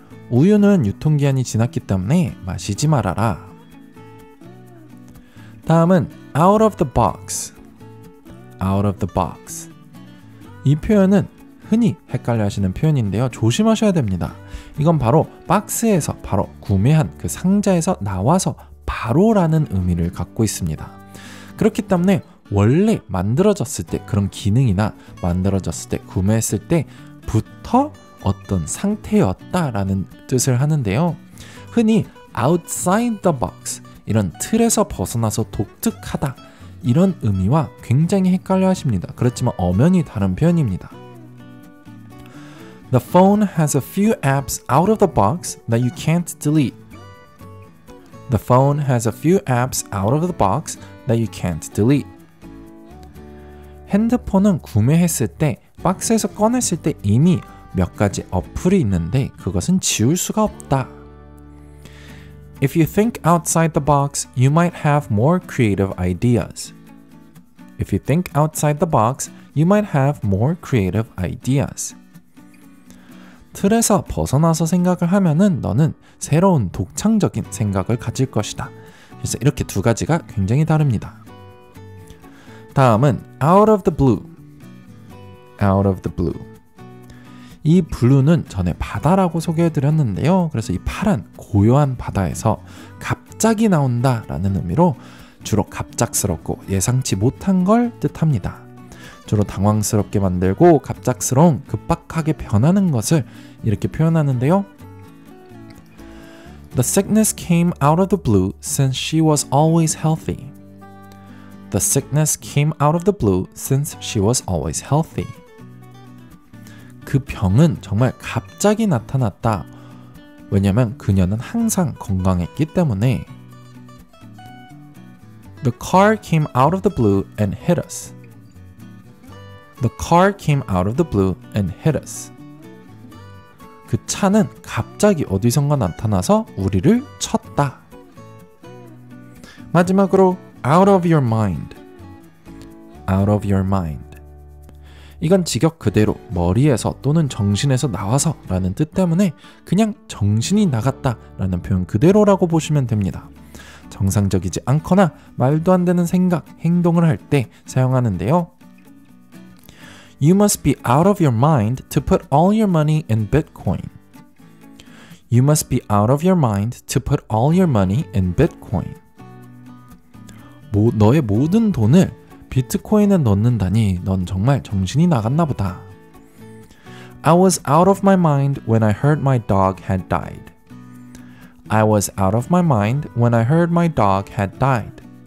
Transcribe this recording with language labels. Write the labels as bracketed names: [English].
[Korean] 우유는 유통기한이 지났기 때문에 마시지 말아라. 다음은 [English] out of the box. out of the box. [Korean] 이 표현은 흔히 헷갈려 하시는 표현인데요. 조심하셔야 됩니다. 이건 바로 박스에서, 바로 구매한 그 상자에서 나와서 바로라는 의미를 갖고 있습니다. 그렇기 때문에 원래 만들어졌을 때 그런 기능이나 만들어졌을 때 구매했을 때부터 어떤 상태였다라는 뜻을 하는데요. 흔히 [English] outside the box, [Korean] 이런 틀에서 벗어나서 독특하다, 이런 의미와 굉장히 헷갈려 하십니다. 그렇지만 엄연히 다른 표현입니다. [English] The phone has a few apps out of the box that you can't delete. The phone has a few apps out of the box that you can't delete. [Korean] 핸드폰은 구매했을 때, 박스에서 꺼냈을 때 이미 몇 가지 어플이 있는데 그것은 지울 수가 없다. [English] If you think outside the box, you might have more creative ideas. If you think outside the box, you might have more creative ideas. [Korean] 틀에서 벗어나서 생각을 하면은 너는 새로운 독창적인 생각을 가질 것이다. 그래서 이렇게 두 가지가 굉장히 다릅니다. 다음은 [English] out of the blue. out of the blue. [Korean] 이 블루는 전에 바다라고 소개해드렸는데요. 그래서 이 파란 고요한 바다에서 갑자기 나온다 라는 의미로 주로 갑작스럽고 예상치 못한 걸 뜻합니다. 주로 당황스럽게 만들고 갑작스러운 급박하게 변하는 것을 이렇게 표현하는데요. [English] The sickness came out of the blue since she was always healthy. The sickness came out of the blue since she was always healthy. [Korean] 그 병은 정말 갑자기 나타났다. 왜냐면 그녀는 항상 건강했기 때문에. [English] The car came out of the blue and hit us. The car came out of the blue and hit us. [Korean] 그 차는 갑자기 어디선가 나타나서 우리를 쳤다. 마지막으로 [English] out of your mind. out of your mind. [Korean] 이건 직역 그대로 머리에서 또는 정신에서 나와서 라는 뜻 때문에 그냥 정신이 나갔다 라는 표현 그대로라고 보시면 됩니다. 정상적이지 않거나 말도 안 되는 생각, 행동을 할 때 사용하는데요. [English] You must be out of your mind to put all your money in Bitcoin. You must be out of your mind to put all your money in Bitcoin. [Korean] 너의 모든 돈을 비트코인에 넣는다니 넌 정말 정신이 나갔나 보다. [English] I was out of my mind when I heard my dog had died. I was out of my mind when I heard my dog had died.